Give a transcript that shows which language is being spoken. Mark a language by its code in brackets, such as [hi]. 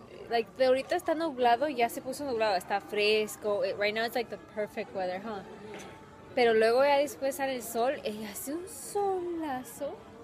[es] Like, de ahorita está nublado, ya se puso nublado, está fresco. [en] Right now it's like the perfect weather, huh? [es] Pero luego ya después sale el sol y hace un solazo.